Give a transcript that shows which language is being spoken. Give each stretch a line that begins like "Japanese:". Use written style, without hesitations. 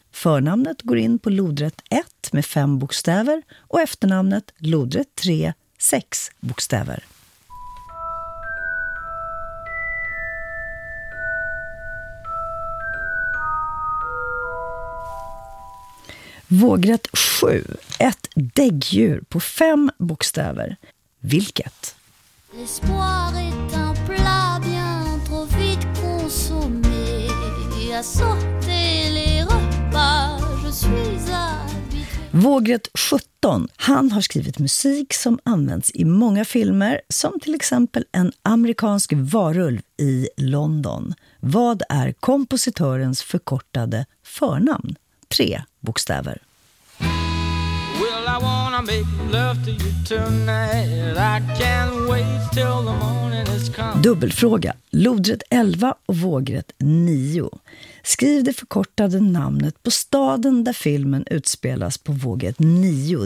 Swedish: Förnamnet går in på lodrätt 1 med 5 bokstäver och efternamnet lodrätt 3, 6 bokstäver. Vågrätt 7. Ett däggdjur på 5 bokstäver. Vilket?
French: L'espoir est un plat bien trop vite consommé. Jag sortais les repas, je suis habitué.
Swedish: Vågrätt 17. Han har skrivit musik som används i många filmer, som till exempel en amerikansk varulv i London. Vad är kompositörens förkortade förnamn? 3 bokstäver.
English: Well, I wanna make love to you tonight. I can't wait till the morning has come.
Swedish: Dubbelfråga. Lodrätt 11 och vågrätt 9. Skriv det förkortade namnet på staden där filmen utspelas på vågrätt 9.